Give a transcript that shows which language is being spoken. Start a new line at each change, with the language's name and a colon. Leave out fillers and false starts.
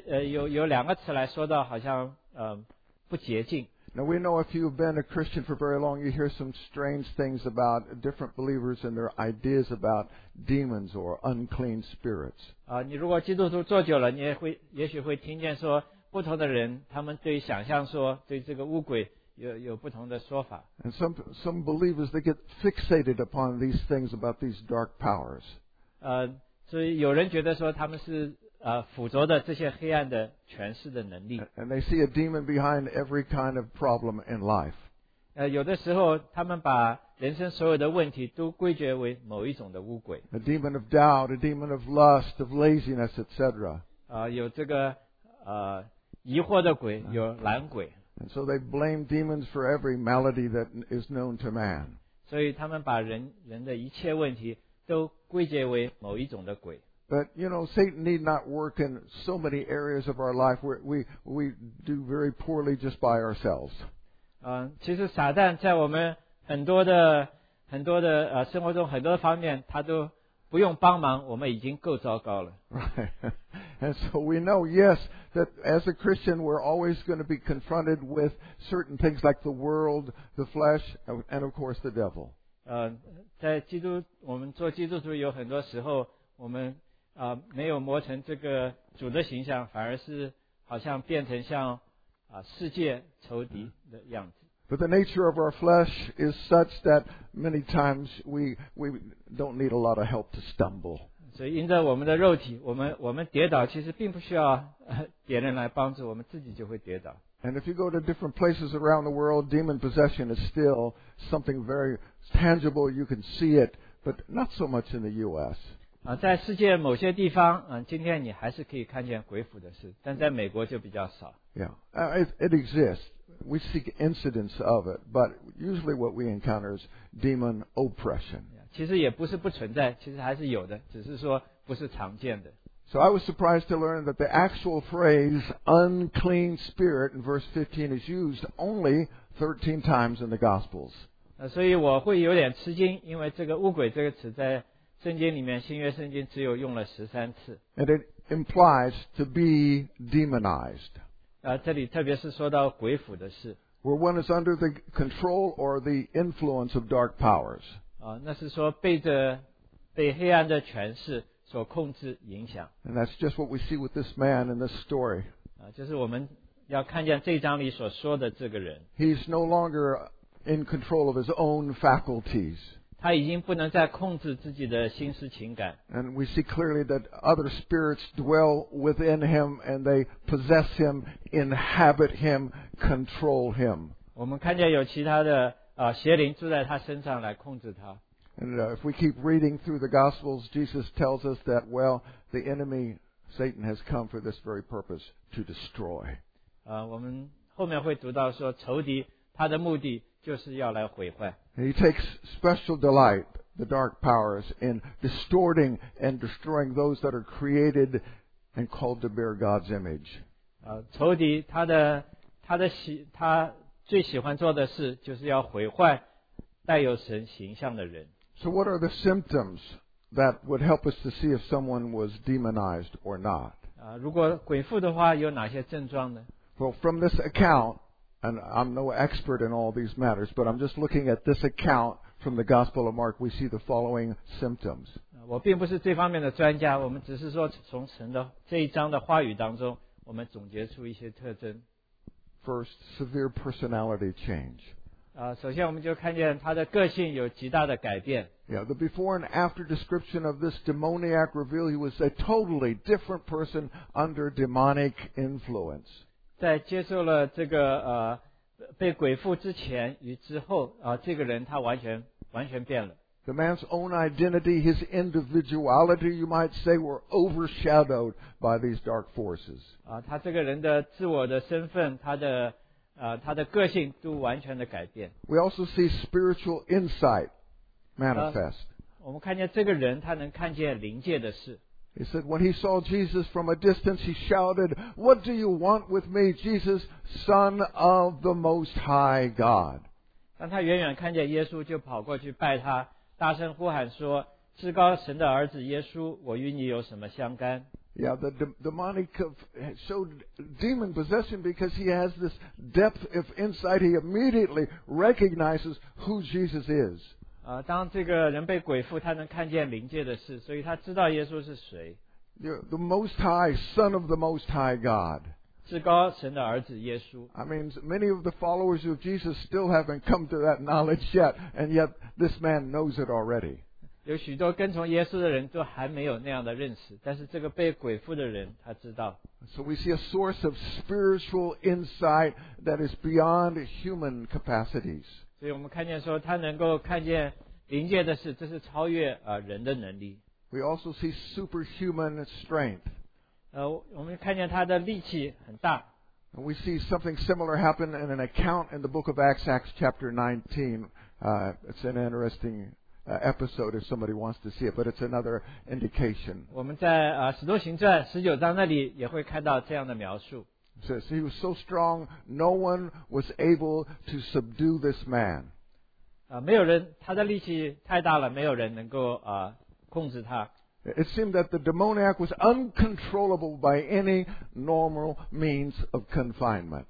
Chinese: 有两个词来说到好像不洁净。
English: Now we know if you've been a Christian for very long, you hear some strange things about different believers and their ideas about demons or unclean spirits.
Chinese: 你如果基督徒坐久了，你也许会听见说不同的人他们对想象说对这个巫鬼。有不同的说法。
English: And some believers, they get fixated upon these things about these dark powers.
Chinese: 所以有人觉得说他们是附着的这些黑暗的权势的能力。
English: And they see a demon behind every kind of problem in life.
Chinese: 有的时候他们把人生所有的问题都归结为某一种的巫鬼。
English: A demon of doubt, a demon of lust, of laziness, etc.
Chinese: 有这个疑惑的鬼，有懒鬼。
English: And so they blame demons for every malady that is known to man.
Chinese: 所以他们把人的一切问题都归结为某一种的鬼。
English: But you know, Satan need not work in so many areas of our life where we do very poorly just by ourselves.
Chinese: 其实撒旦在我们很多的生活中很多方面，他都不用帮忙，我们已经够糟糕了。
English: Right. And so we know, yes, that as a Christian, we're always going to be confronted with certain things like the world, the flesh, and of course the devil.
Chinese: 在基督，我们做基督徒有很多时候，我们没有磨成这个主的形象，反而是好像变成像世界仇敌的样子。
English: But the nature of our flesh is such that many times we don't need a lot of help to stumble.
Chinese: 所以因着我们的肉体，我们跌倒，其实并不需要别人来帮助，我们自己就会跌倒。
English: And if you go to different places around the world, demon possession is still something very tangible. You can see it, but not so much in the U.S.
Chinese: 在世界某些地方，今天你还是可以看见鬼附的事，但在美国就比较少。
English: Yeah, it exists. We see incidents of it, but usually what we encounter is demon oppression.
Chinese: 其实也不是不存在，其实还是有的，只是说不是常见的。
English: So I was surprised to learn that the actual phrase unclean spirit in verse 15 is used only 13 times in the Gospels.
Chinese: 所以我会有点吃惊，因为这个巫鬼这个词在圣经里面，新约圣经只有用了13次。
English: And it implies to be demonized.
Chinese: 这里特别是说到鬼附的事。
English: Where one is under the control or the influence of dark powers.
Chinese: 那是说被黑暗的权势所控制影响。
English: And that's just what we see with this man in this story.
Chinese: 就是我们要看见这章里所说的这个人。
English: He's no longer in control of his own faculties.
Chinese: 他已经不能再控制自己的心思情感。
English: And we see clearly that other spirits dwell within him and they possess him, inhabit him, control him.
Chinese: 我们看见有其他的邪灵住在他身上来控制他。
English: And if we keep reading through the Gospels, Jesus tells us that, well, the enemy, Satan, has come for this very purpose, to destroy.
Chinese: 我们后面会读到说仇敌他的目的就是要来毁坏。
English: He takes special delight, the dark powers, in distorting and destroying those that are created and called to bear God's image.
Chinese: 仇敌他最喜欢做的事就是要毁坏带有神形象的人。
English: So what are the symptoms that would help us to see if someone was demonized or not?
Chinese: 如果鬼附的话有哪些症状呢?
English: Well, from this account, and I'm no expert in all these matters, but I'm just looking at this account from the Gospel of Mark, we see the following symptoms.
Chinese: 我并不是这方面的专家，我们只是说从神的这一章的话语当中，我们总结出一些特征。
English: First, severe personality change.
Chinese: 首先我们就看见他的个性有极大的改变。
English: Yeah, the before and after description of this demoniac reveal, he was a totally different person under demonic influence.
Chinese: 在接受了这个被鬼附之前与之后这个人他完全变了。
English: The man's own identity, his individuality, you might say, were overshadowed by these dark forces.
Chinese: 他这个人的自我的身份，他的个性都完全的改变。
English: We also see spiritual insight manifest.
Chinese: 我们看见这个人他能看见灵界的事。
English: He said, when he saw Jesus from a distance, he shouted, What do you want with me, Jesus, Son of the Most High God?
Chinese: 当他远远看见耶稣就跑过去拜他，大声呼喊说，至高神的儿子耶稣，我与你有什么相干？
English: Yeah, the demonic showed demon possession because he has this depth of insight. He immediately recognizes who Jesus is.
Chinese: 当这个人被鬼附，他能看见灵界的事，所以他知道耶稣是谁。
English: The Most High, Son of the Most High God.
Chinese: 至高神的儿子耶稣。
English: I mean, many of the followers of Jesus still haven't come to that knowledge yet, and yet this man knows it already.
Chinese: 有许多跟从耶稣的人都还没有那样的认识，但是这个被鬼附的人他知道。
English: So we see a source of spiritual insight that is beyond human capacities.
Chinese: 所以我们看见说他能够看见灵界的事，这是超越人的能力。
English: We also see superhuman strength.
Chinese: 我们看见他的力气很大。
English: And we see something similar happen in an account in the book of Acts, Acts chapter 19. It's an interesting episode if somebody wants to see it, but it's another indication.
Chinese: 我们在《使徒行传》十九章那里也会看到这样的描述。
English: It says he was so strong, no one was able to subdue this man.
Chinese: 没有人，他的力气太大了，没有人能够控制他。
English: It seemed that the demoniac was uncontrollable by any normal means of confinement.